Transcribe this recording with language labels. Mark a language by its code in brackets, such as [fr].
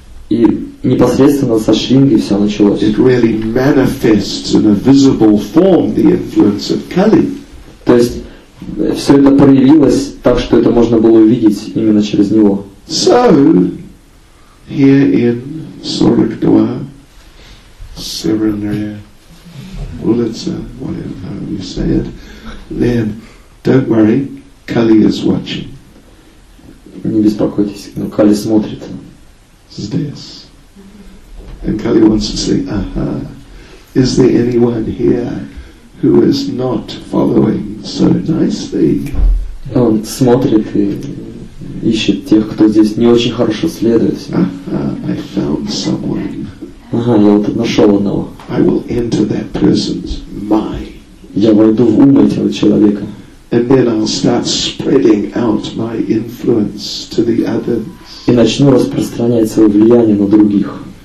[ru] И непосредственно со Шринги все началось. [en] It really manifests in a visible form the influence of Kali. [ru] То есть все это проявилось так, что это можно было увидеть именно через него. [en] So here in Sorakdwa, Sarangriya, Ulitsa, whatever you say it, then don't worry, Kali is watching. [ru] Не беспокойтесь, но Кали смотрит. Здесь. [en] And Kali wants to say, is there anyone here who is not following so nicely? [ru] Он смотрит и ищет тех, кто здесь не очень хорошо следует. [en] I found someone. [ru] Ага, я вот нашел одного. [en] I will enter that person's mind. [ru] Я войду в ум этого человека. [en] And then I'll start spreading out my influence to the others. [ru] И начну распространять свое влияние на других.